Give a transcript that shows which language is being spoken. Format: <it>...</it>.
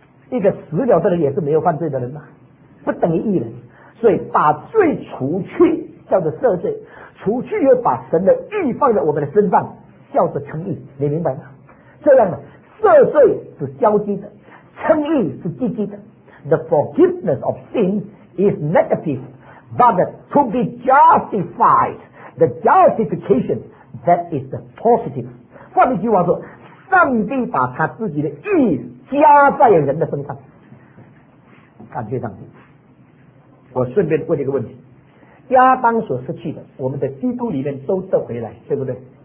<zh>一个死了的人也是没有犯罪的人嘛，不等于义人。所以把罪除去叫做赦罪，除去又把神的义放在我们的身上叫做称义，你明白吗？这样呢，赦罪是消极的，称义是积极的。</zh> <en>The forgiveness of sin is negative, but to be justified, the justification, that is the positive.</en> <zh>换一句话说，上帝把他自己的义加在人的身上。感谢上帝。我顺便问一个问题，亚当所失去的我们的基督里面都得回来，对不对？</zh>